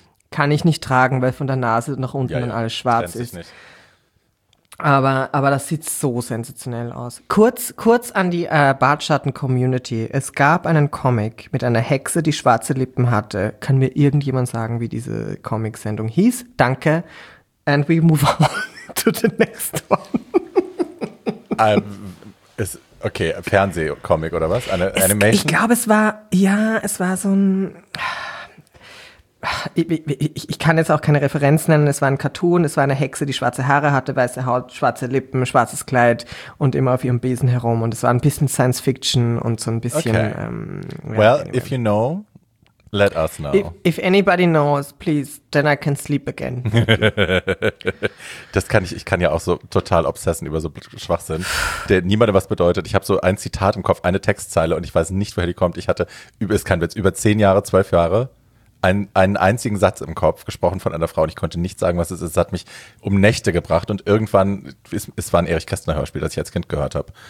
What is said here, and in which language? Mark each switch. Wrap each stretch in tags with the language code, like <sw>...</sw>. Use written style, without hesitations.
<de>Kann ich nicht tragen, weil von der Nase nach unten dann alles schwarz ist. Aber das sieht so sensationell aus. Kurz an die Bartschatten-Community. Es gab einen Comic mit einer Hexe, die schwarze Lippen hatte. Kann mir irgendjemand sagen, wie diese Comic-Sendung hieß? Danke.</de> <en>And we move on to the next one.</en> <de>Okay, Fernsehcomic oder was? Animation? Ich glaube, es war so ein... Ich kann jetzt auch keine Referenz nennen. Es war ein Cartoon, es war eine Hexe, die schwarze Haare hatte, weiße Haut, schwarze Lippen, schwarzes Kleid und immer auf ihrem Besen herum. Und es war ein bisschen Science Fiction und so ein bisschen...</de> <en>Okay. If you know... Let us know. If anybody knows, please, then I can sleep again.</en> <de>Das kann ich. Ich kann ja auch so total obsessen über so Schwachsinn, der niemandem was bedeutet. Ich habe so ein Zitat im Kopf, eine Textzeile und ich weiß nicht, woher die kommt. Ich hatte, es kann jetzt über 10 Jahre, 12 Jahre, einen einzigen Satz im Kopf, gesprochen von einer Frau, und ich konnte nicht sagen, was es ist. Es hat mich um Nächte gebracht und irgendwann, es war ein Erich Kästner Hörspiel, das ich als Kind gehört habe.</de>